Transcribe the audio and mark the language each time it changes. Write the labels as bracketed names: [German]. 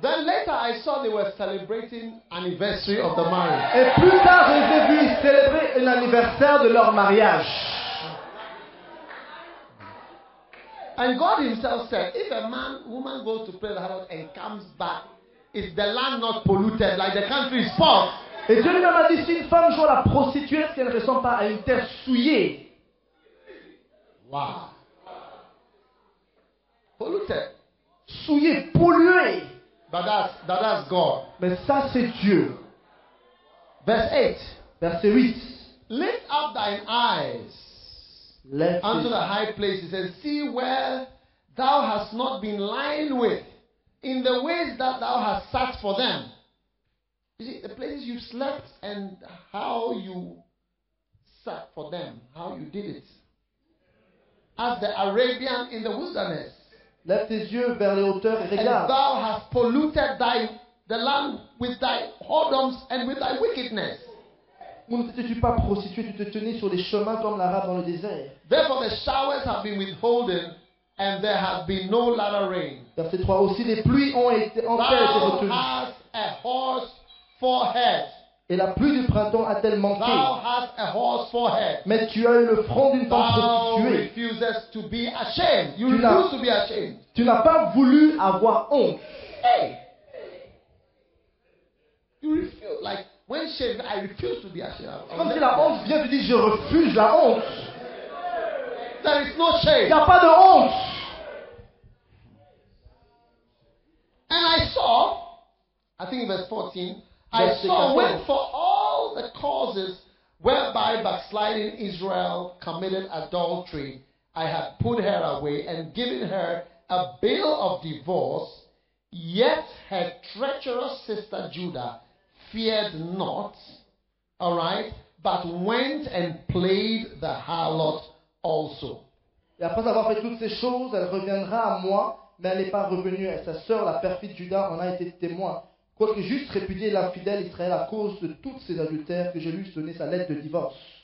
[English] Then later I saw they were celebrating anniversary of the marriage. [French] Et plus tard, je les ai vus célébrer l'anniversaire de leur mariage. [English] And God Himself said, if a man, woman goes to play the harlot and comes back, is the land not polluted like the country is false? [French] Et Dieu lui-même a dit, si une femme joue à la prostituée, est-ce qu'elle ne ressemble pas à une terre souillée? [English] Wow. Polluted. [French] Souillé, pollué. [English] That's God. [French] Mais ça, c'est Dieu. Verset 8. [English] Lift up thine eyes unto the high places and see where thou hast not been lying with in the ways that thou hast sat for them. You see, the places you slept and how you sat for them, how you did it. As the Arabian in the wilderness. [French] Lève tes yeux vers les hauteurs et regarde. [English] And thou hast polluted thy the land with thy whoredoms and with thy wickedness. [French] Où ne t'étais-tu pas prostitué, tu te tenais sur les chemins comme l'arabe dans le désert. [English] Therefore the showers have been withholden and there has been no latter rain. [French] Verset 3, aussi les pluies ont été empêchées de retenir. [English] Thou hast a hoarse forehead. [French] Et la pluie du printemps a-t-elle manqué? [English] Thou hast a hoarse forehead. [French] Mais tu as eu le front d'une femme prostituée. [English] Thou refuses to be ashamed. You refuse to be ashamed. [French] Tu n'as pas voulu avoir honte. [English] Hey. You refuse like when shame, I refuse to be ashamed. [French] Comme si la honte vient, tu dis je refuse la honte. [English] There is no shame. [French] Il n'y a pas de honte. [English] And I saw, I think verse 14. I saw when for all the causes whereby backsliding Israel committed adultery, I had put her away and given her a bill of divorce, yet her treacherous sister Judah feared not, all right, but went and played the harlot also. [French] Et après avoir fait toutes ces choses, elle reviendra à moi, mais elle n'est pas revenue, et sa sœur, la perfide Judah, en a été témoin. Quoique juste répudier l'infidèle Israël à cause de toutes ces adultères que j'ai lui donné sa lettre de divorce.